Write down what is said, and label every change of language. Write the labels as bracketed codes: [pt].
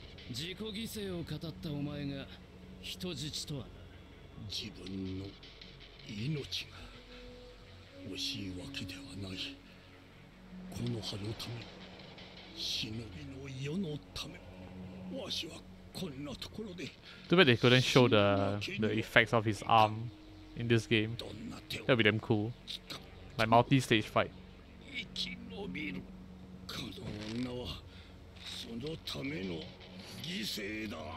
[ja] 自己犠牲を語ったお前が人質とは。自分の命が。惜しいわけではない。この葉のため、忍びの世のため、わしはこんなところで。 [en] Too bad they couldn't show the effects of his arm in this game. That would be damn cool. Like multi-stage fight. [ja] 生き延びる。この女はそのための犠牲だ。